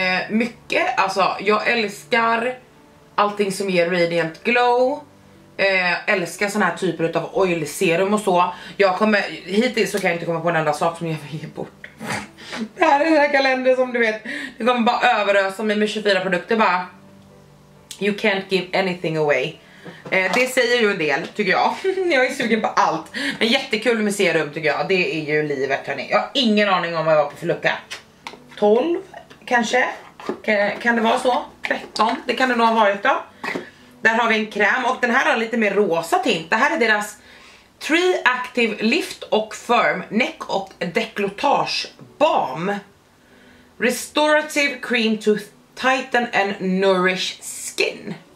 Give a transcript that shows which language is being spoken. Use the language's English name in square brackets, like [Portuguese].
[Swedish] Mycket, alltså jag älskar allting som ger radiant glow. Älskar såna här typer av oil serum och så. Jag kommer, hittills så kan jag inte komma på en enda sak som jag vill ge bort. Det här är den här kalendern som du vet. Det kommer bara överösa mig med 24 produkter bara. [English] You can't give anything away. [Swedish] Det säger ju en del tycker jag. Jag är sugen på allt. Men jättekul med serum tycker jag. Det är ju livet hörni. Jag har ingen aning om vad jag var på för lucka. 12 kanske. Kan det vara så? 13, det kan det nog ha varit då. Där har vi en kräm och den här har lite mer rosa tint. Det här är deras Tree Active Lift och Firm Neck och Decolletage Balm. [English] Restorative Cream to Tighten and Nourish Skin.